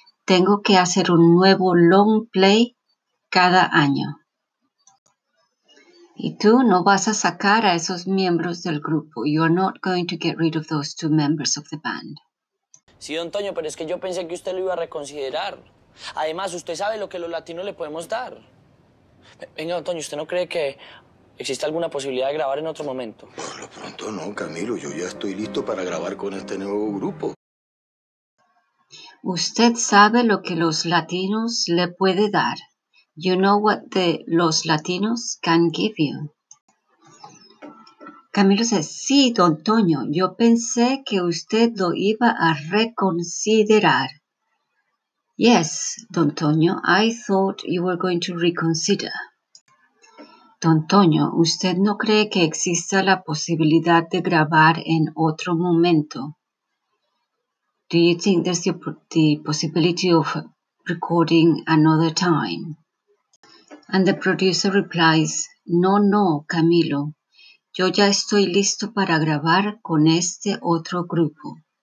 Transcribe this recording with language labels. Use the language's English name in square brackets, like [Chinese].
[Spanish] Tengo que hacer un nuevo long play cada año. Y tú no vas a sacar a esos miembros del grupo. [English] You are not going to get rid of those two members of the band. [Spanish] Sí, Don Toño, pero es que yo pensé que usted lo iba a reconsiderar. Además, usted sabe lo que los latinos le podemos dar. Venga, Don Toño, ¿usted no cree que existe alguna posibilidad de grabar en otro momento? Por lo pronto no, Camilo. Yo ya estoy listo para grabar con este nuevo grupo. Usted sabe lo que los latinos le puede dar. [English] You know what the los latinos can give you. Camilo says, [Spanish] sí, Don Toño, yo pensé que usted lo iba a reconsiderar. [English] Yes, Don Toño, I thought you were going to reconsider. [Spanish] Don Toño, usted no cree que exista la posibilidad de grabar en otro momento. [English] Do you think there's the possibility of recording another time? And the producer replies, [Spanish] no, no, Camilo, yo ya estoy listo para grabar con este otro grupo.